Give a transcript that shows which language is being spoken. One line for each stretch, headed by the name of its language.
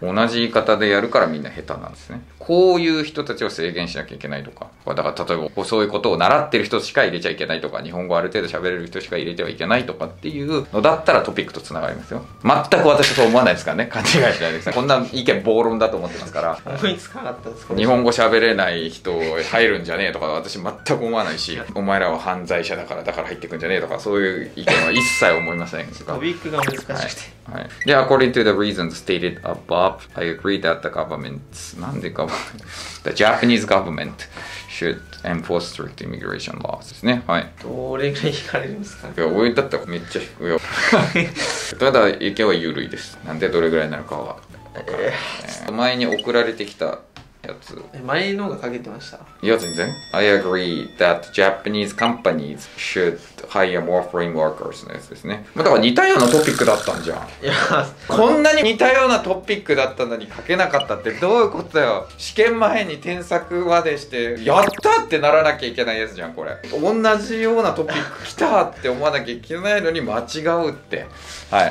Japanese: 同じ言い方でやるからみんな下手なんですね。こういう人たちを制限しなきゃいけないとか、だから例えばそういうことを習ってる人しか入れちゃいけないとか、日本語ある程度喋れる人しか入れてはいけないとかっていうのだったらトピックと繋がりますよ。全く私はそう思わないですからね、勘違いしないですね。こんな意見暴論だと思ってますから思いつかなかったです。日本語喋れない人入るんじゃねえとか私全く思わないし、お前らは犯罪者だから入ってくんじゃねえとか、そういう意見は一切思いませんトピックが難しくて、はいはい、で、
English: according to the reasons stated above, I agree that the government,
Japanese: なんでか、
English: the Japanese government should enforce strict immigration laws
Japanese: ですね。はい。どれぐらい引かれるんですか、ね、いや、俺だったらめっちゃ引くよ。ただ、意見は緩いです。なんでどれぐらいになるかは。前に送られてきたやつ。前の方が書けてました。いや、全然。
English: I agree that Japanese companies should hire more foreign workers
Japanese: のやつですね。まあ、だから似たようなトピックだったんじゃん。いや、こんなに似たようなトピックだったのに書けなかったってどういうことだよ。試験前に添削までして、やったってならなきゃいけないやつじゃん、これ。同じようなトピック来たって思わなきゃいけないのに間違うって。はい。